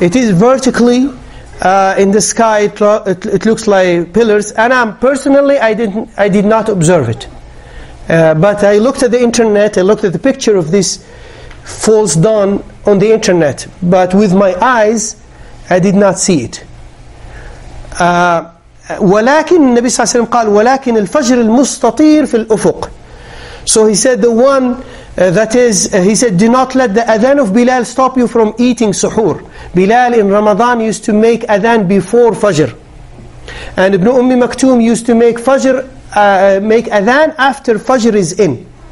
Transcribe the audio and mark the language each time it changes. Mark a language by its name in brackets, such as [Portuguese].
[English] It is vertically in the sky, it looks like pillars, and I did not observe it. But I looked at the internet, I looked at the picture of this false dawn on the internet, but with my eyes, I did not see it. [Arabic] ولكن النبي صلى الله عليه وسلم قال ولكن الفجر المستطير في الأفق. [English] So he said the one that is, he said, do not let the adhan of Bilal stop you from eating suhoor. Bilal in Ramadan used to make adhan before Fajr. And Ibn Ummi Maktoum used to make Fajr, make adhan after Fajr is in.